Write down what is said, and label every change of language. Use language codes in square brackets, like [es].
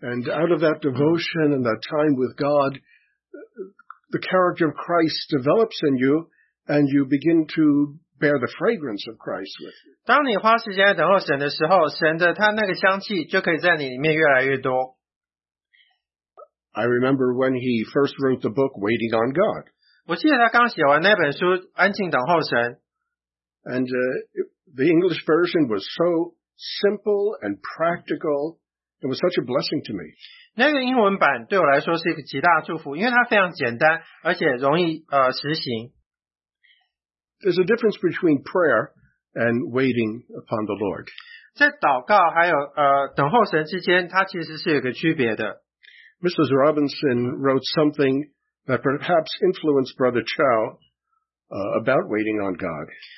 [en] out of that devotion and that time with God, the character of Christ develops in you, and you begin to bear the fragrance of Christ with you. [zh] 当你花时间等候神的时候，神的他那个香气就可以在你里面越来越多。 [en] I remember when he first wrote the book, Waiting on God. [zh] 我记得他刚写完那本书《安静等候神》。 [en] And the English version was so simple and practical. It was such a blessing to me. [zh] 那个英文版对我来说是一个极大的祝福，因为它非常简单，而且容易实行。 [en] There's a difference between prayer and waiting upon the Lord. [zh] 在祷告还有等候神之间，它其实是有个区别的。 [en] Mrs. Robinson wrote something that perhaps influenced Brother Chow about waiting on God.